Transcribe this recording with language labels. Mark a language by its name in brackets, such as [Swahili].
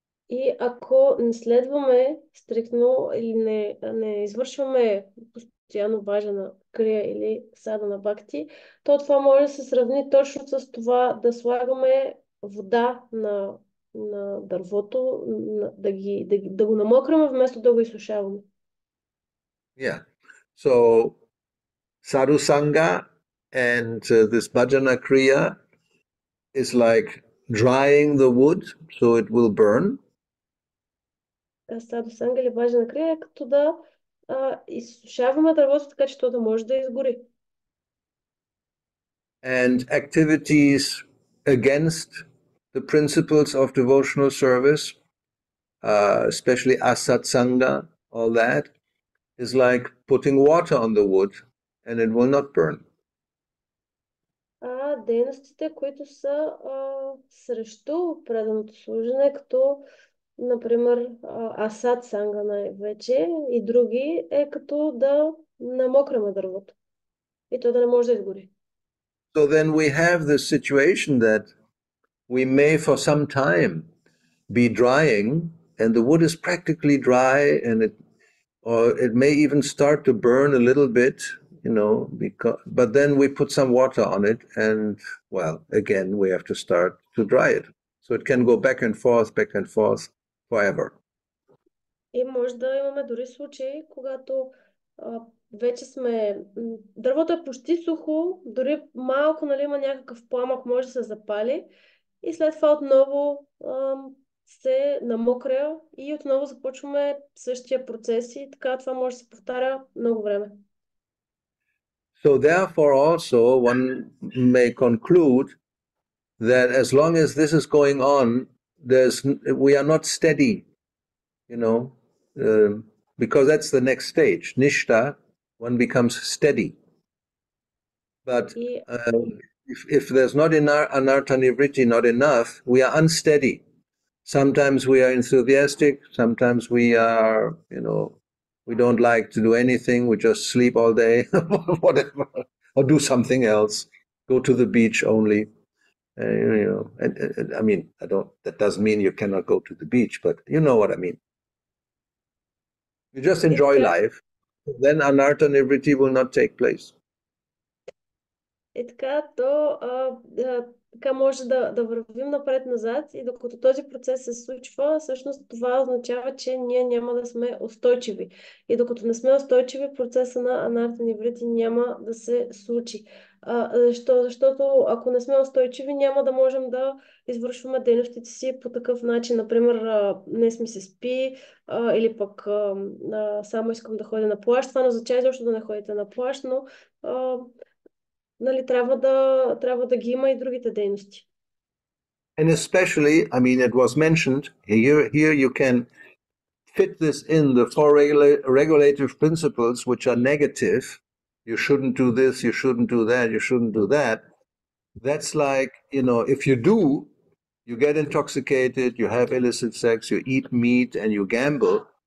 [Bulgarian] И ако не следваме стриктно или не извършваме постоянно важена крия или сада на бхакти, то това може да се сравни точно с това да слагаме вода на дървото, да го намокрим вместо да го изсушаваме. [English] Yeah. So sadhu sangha and this bhajana kriya is like drying the wood so it will burn. [Bulgarian] Сада санга или важна крия, като да изсушаваме дървото, така че то да може да изгори. [English] And activities against the principles of devotional service, especially asat sangha, all that, is like putting water on the wood and it will not burn. [Bulgarian] А дейностите, които са срещу преданото служене, като например, асад санга най-вече и други, е като да намокреме дървото и то да не може да изгори. [English] So then we have this situation that we may for some time be drying and the wood is practically dry and it may even start to burn a little bit, you know, because, but then we put some water on it and, well, again, we have to start to dry it. So it can go back and forth forever. [Bulgarian] И може да имаме дори случаи, когато вече сме... Дървото е почти сухо, дори малко, нали, има някакъв пламък, може да се запали и след това отново се намокря и отново започваме същия процес и така това може да се повтаря много време. [English] So therefore also one may conclude that as long as this is going on, we are not steady, you know, because that's the next stage, nishta, one becomes steady. But if there's not anartha nivritti, not enough, we are unsteady. Sometimes we are enthusiastic, sometimes we are, you know, we don't like to do anything, we just sleep all day, whatever, or do something else, go to the beach only. You know, and I mean, I don't, that doesn't mean you cannot go to the beach, but you know what I mean. You just enjoy life, then anartha nivritti will not take place. [Bulgarian] И така, то така може да вървим напред-назад и докато този процес се случва, всъщност това означава, че ние няма да сме устойчиви. И докато не сме устойчиви, процеса на анартха нивритти няма да се случи. Защото ако не сме устойчиви, няма да можем да извършваме дейностите си по такъв начин. Например, днес ми се спи или пък само искам да ходя на плащ. Това не означава защо да не ходите на плащ, но... Нали, трябва да ги има и другите дейности. [English] And especially, I mean, it was mentioned here you can fit this in the four regulative principles which are negative. You shouldn't do this, you shouldn't do that, you shouldn't do that. That's like, you know, if you do, you get intoxicated, you have illicit sex, you eat meat and you gamble.